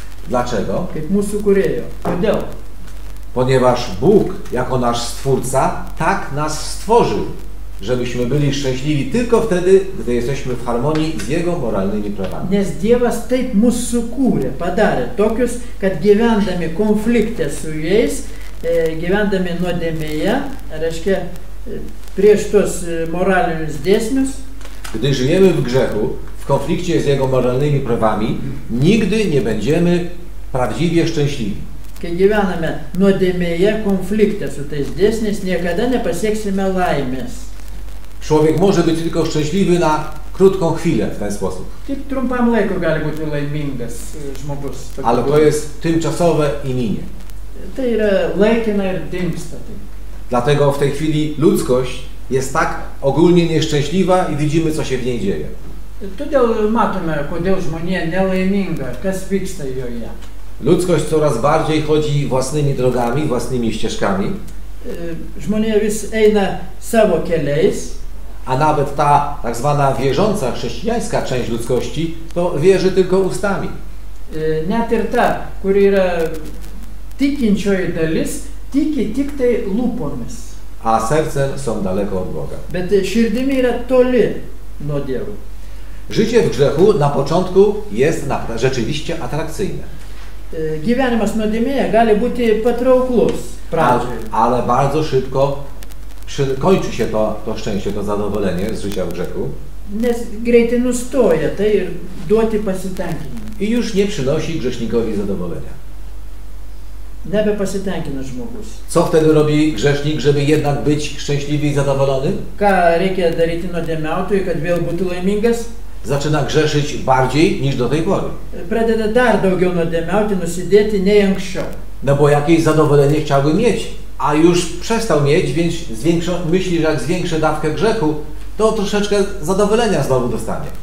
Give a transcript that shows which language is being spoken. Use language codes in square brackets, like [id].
[pl] Dlaczego? [lt] Kaip mūsų kūrėjo. Kodėl? [pl] Ponieważ Bóg, jako nasz Stwórca, tak nas stworzył, żebyśmy byli szczęśliwi tylko wtedy, gdy jesteśmy w harmonii z Jego moralnymi prawami. [lt] Nes Dievas taip mus sukūrė, padarė tokius, kad gyvendami konflikte su jais, gyvendami nuodėmėje, reiškia, prieš tos moralinius dėsnius. [pl] Gdy żyjemy w grzechu, w konflikcie z Jego moralnymi prawami, nigdy nie będziemy prawdziwie szczęśliwi. [lt] Kai gyvename nuodėmėje konflikte su tais dėsniais, niekada nepasieksime laimės. [pl] Człowiek może być tylko szczęśliwy na krótką chwilę w ten sposób. [lt] Tik trumpam laiku gali būti laimingas žmogus. [pl] Ale to jest tymczasowe i minie. [lt] Tai yra laikina ir dingsta. [pl] Dlatego w tej chwili ludzkość jest tak ogólnie nieszczęśliwa i widzimy, co się w niej dzieje. [lt] Todėl matome, kodėl žmonija nelaiminga, kas vyksta joje. [pl] Ludzkość coraz bardziej chodzi własnymi drogami, własnymi ścieżkami. [lt] Žmonija vis eina savo keliais. [pl] A nawet ta tak zwana wierząca chrześcijańska część ludzkości to wierzy tylko ustami. [lt] Net ir ta, kuri yra tikinčioji dalis, tiki tik tai lūpomis. [pl] a sercem są daleko od Boga. [lt] Bet širdimi yra toli nuo Dievo. [pl] Życie w grzechu na początku jest rzeczywiście atrakcyjne. [lt] Gyvenimas nuodėmėje gali būti patrauklus pradžiai. [pl] Ale bardzo szybko kończy się to szczęście, to zadowolenie z życia w grzechu. [lt] Nes greitai nustoja tai ir duoti pasitenkinimą. [pl] I już nie przynosi grzesznikowi zadowolenia. [lt] Nebe pasitenkina žmogus. [pl] Co wtedy robi grzesznik, żeby jednak być szczęśliwy i zadowolony? [lt] Ką reikia daryti nuodėmiautojui, kad vėl būtų laimingas? [pl] Zaczyna grzeszyć bardziej niż do tej pory. [lt] Pradeda dar daugiau nuodėmiauti, nusidėti nei anksčiau. [pl] No bo jakieś zadowolenie chciałby mieć, a już przestał mieć, więc zwiększa, myśli, że jak zwiększę dawkę grzechu, to troszeczkę zadowolenia znowu dostanie.